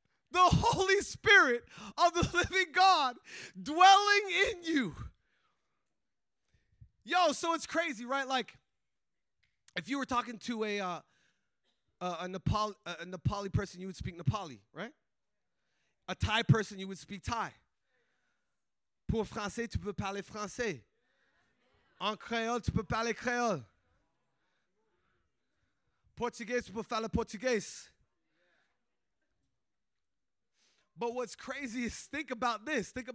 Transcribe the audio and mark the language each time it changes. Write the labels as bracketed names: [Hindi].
[English] The Holy Spirit of the living God dwelling in you. Yo, so it's crazy, right? Like, if you were talking to a Nepali person, you would speak Nepali, right? A Thai person, you would speak Thai. [French] Pour français, tu peux parler français. En créole, tu peux parler créole. Portuguese, tu peux parler portugais. [English] But what's crazy is, think about this.